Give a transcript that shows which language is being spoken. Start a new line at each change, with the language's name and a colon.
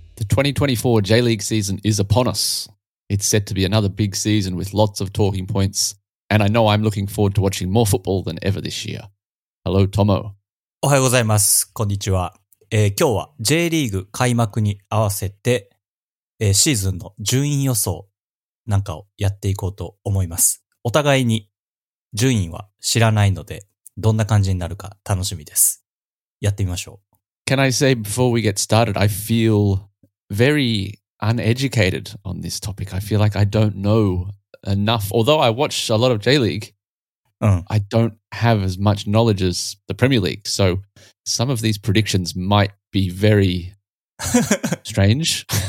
English: 2024 J-League season is upon us. It's set to be another big season with lots of talking points, and I know I'm looking forward to watching more football than ever this year. Hello, Tomo.
Japanese: おはようございます。こんにちは。今日は J リーグ開幕に合わせて、シーズンの順位予想なんかをやっていこうと思います。お互いに順位は知らないので、どんな感じになるか楽しみです。やってみましょう。
English: Can I say before we get started, I feel very uneducated on this topic. I feel like I don't know enough. Although I watch a lot of J League, I don't have as much knowledge as the Premier League. So some of these predictions might be very strange.